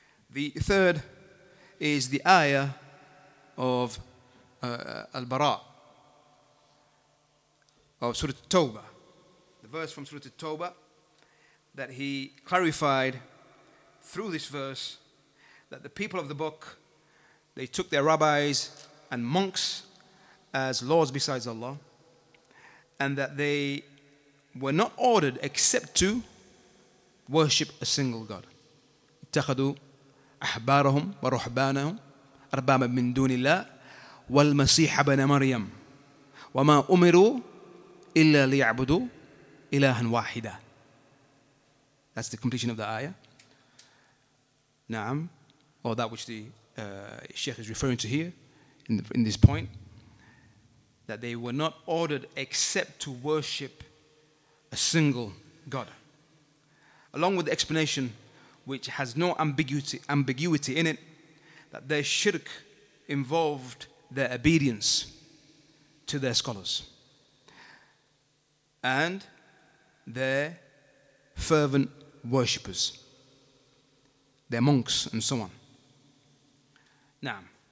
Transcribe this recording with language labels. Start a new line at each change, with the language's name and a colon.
English: The third is the ayah of Al-Bara, of Surah Tawbah, the verse from Surah Tawbah, that he clarified through this verse that the people of the book, they took their rabbis and monks as lords besides Allah, and that they were not ordered except to worship a single God.
Arabic: اتخذوا أحبارهم ورحبانهم أربابا من دون الله والمسيح ابن مريم وما أمروا إلا ليعبدوا إلها واحدا.
English: That's the completion of the ayah. Naam. Or that which the Sheikh is referring to here in this point, that they were not ordered except to worship a single God, along with the explanation which has no ambiguity in it, that their shirk involved their obedience to their scholars and their fervent worshippers, their monks and so on. Naam.